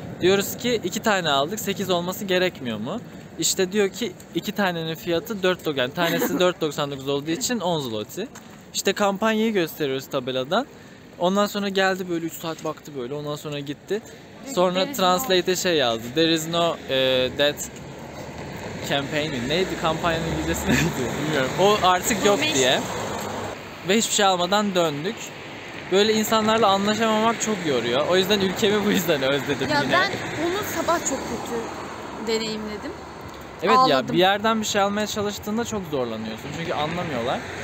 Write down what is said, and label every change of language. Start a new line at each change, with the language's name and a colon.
Turkish: Diyoruz ki iki tane aldık. 8 olması gerekmiyor mu? İşte diyor ki iki tanenin fiyatı 4 zloty. Yani tanesi 4.99 olduğu için 10 zloty. İşte kampanyayı gösteriyoruz tabeladan. Ondan sonra geldi böyle 3 saat baktı böyle. Ondan sonra gitti. Sonra translate'e şey yazdı.
English: There is no that campaign.
Turkish: Neydi kampanyanın İngilizcesi neydi? Bilmiyorum. O artık yok diye. Ve hiçbir şey almadan döndük. Böyle insanlarla anlaşamamak çok yoruyor. O yüzden ülkemi bu yüzden özledim ya yine. Ya ben onu sabah çok kötü deneyimledim. Evet. Ağladım. Ya bir yerden bir şey almaya çalıştığında çok zorlanıyorsun. Çünkü anlamıyorlar.